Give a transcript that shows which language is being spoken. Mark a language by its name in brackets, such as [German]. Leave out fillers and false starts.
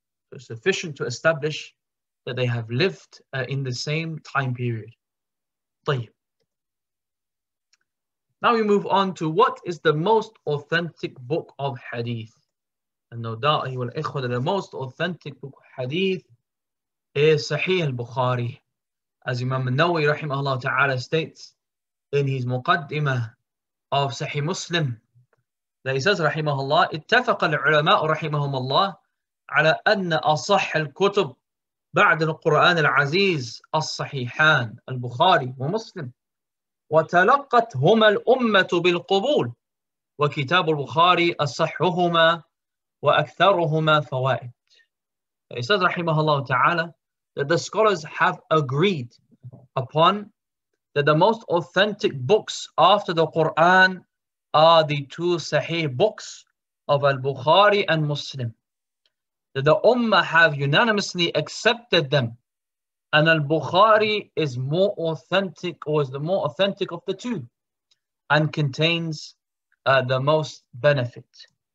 [English] So it's sufficient to establish that they have lived in the same time period. [Arabic] طيب. [English] Now we move on to what is the most authentic book of hadith. And no doubt, he will echo that the most authentic book of hadith is Sahih al-Bukhari. As Imam al-Nawawi rahimahullah ta'ala states in his muqaddimah of Sahih Muslim, that he says, rahimahullah, [Arabic] اتفق العلماء رحمهم الله على أن أصح الكتب بعد القرآن العزيز الصحيحان البخاري ومسلم وتلقتهما الأمة بالقبول وكتاب البخاري أصحهما وأكثرهما فوائد. [English] He says, rahimahullah ta'ala, that the scholars have agreed upon that the most authentic books after the Quran are the two Sahih books of Al-Bukhari and Muslim. That the Ummah have unanimously accepted them, and Al-Bukhari is more authentic, or is the more authentic of the two, and contains the most benefit.